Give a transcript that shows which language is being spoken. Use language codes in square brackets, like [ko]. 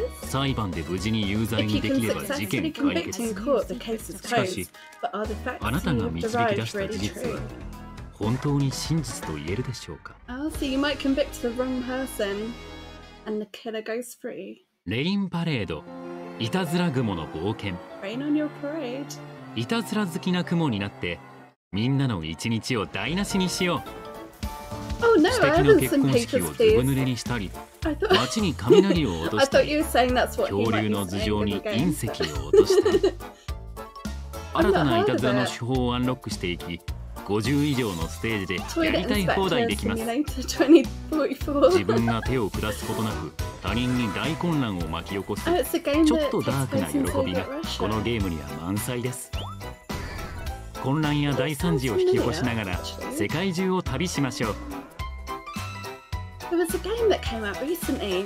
[ja] 裁判で無事に有罪にできれば事件解決。しかしあなたが導き出した事実は本当に真実と言えるでしょうか。 [en] Oh, so you might convict the wrong person and the killer goes free. [ja] レインパレード、いたずら雲の冒険、 [en] Rain on your parade。 [ja] いたずら好きな雲になってみんなの一日を台無しにしよう。 [en] Oh, no, [ja] 素敵な結婚式をずぶ濡れにしたり、街に雷を落としたり、恐竜の頭上に隕石を落としたり、新たないたずらの手法をアンロックしていき、50以上のステージでやりたい放題できます。自分が手を下すことなく他人に大混乱を巻き起こす、ちょっとダークな喜びがこのゲームには満載です。混乱や大惨事を引き起こしながら世界中を旅しましょう。 [en] There was a game that came out recently.